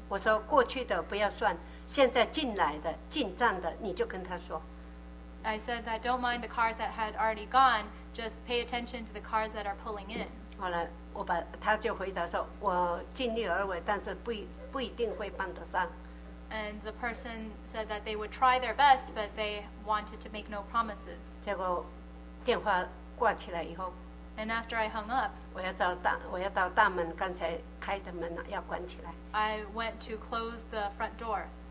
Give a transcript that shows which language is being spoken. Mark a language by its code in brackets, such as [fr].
[zh] 我说, 过去的不要算, 现在进来的, 进站的, 你就跟他说。 [en] I said that don't mind the cars that had already gone, just pay attention to the cars that are pulling in. [zh] 后来, 我把, 他就回答说, 我尽力而为, 但是不一定会帮得上。 [en] And the person said that they would try their best, but they wanted to make no promises. [zh] 结果电话挂起来以后, [en] and after I hung up, [zh] 我要到大门刚才开的门要关起来。 [en] I went to close the front door.